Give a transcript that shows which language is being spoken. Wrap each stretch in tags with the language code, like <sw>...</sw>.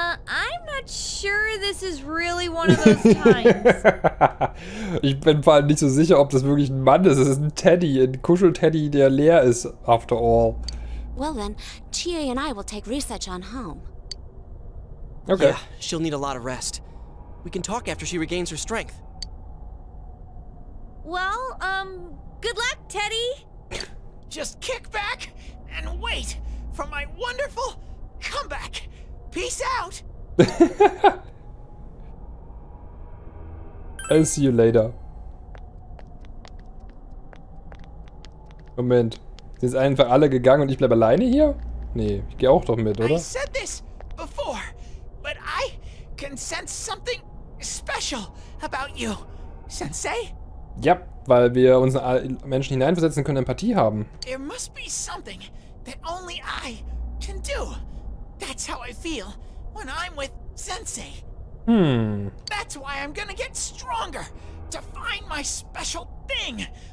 <en>I'm not sure this is really one of those times.</en> <de>Ich bin vor allem nicht so sicher, ob das wirklich ein Mann ist. Es ist ein Teddy, ein Kuschel-Teddy, der leer ist,</de> <en>after all. Well then, Chie and I will take Risa-chan home. Okay. Yeah, she'll need a lot of rest. We can talk after she regains her strength. Well, good luck, Teddy. Just kick back and wait for my wonderful comeback. Peace out. I'll see you later.</en> <de>Moment. Sind jetzt einfach alle gegangen und ich bleibe alleine hier? Nee, ich gehe auch doch mit, oder?</de> <en>I said this before, but I can sense something special about you, Sensei.</en> <de>Ja, weil wir uns in alle Menschen hineinversetzen können, Empathie haben.</de> <en>There must be something that only I can do. That's how I feel when I'm with Sensei. That's why I'm gonna get stronger to find my special thing.</en>